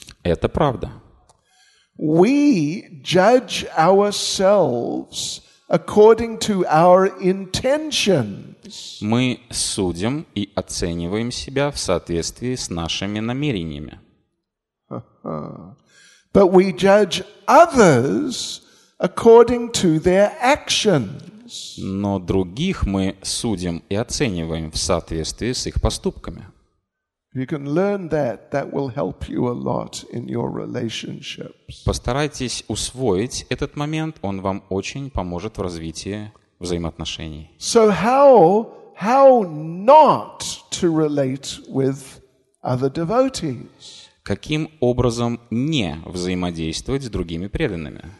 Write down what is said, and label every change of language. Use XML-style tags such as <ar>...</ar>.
<ru>Это правда.</ru> <en>We judge ourselves according to our intentions.</en> <ru>Мы судим и оцениваем себя в соответствии с нашими намерениями.</ru> <en>But we judge others according to their actions.</en> <ru>Но других мы судим и оцениваем в соответствии с их поступками. Постарайтесь усвоить этот момент, он вам очень поможет в развитии взаимоотношений.</ru> <en>So how not to relate with other devotees?</en> <ru>Каким образом не взаимодействовать с другими преданными?</ru>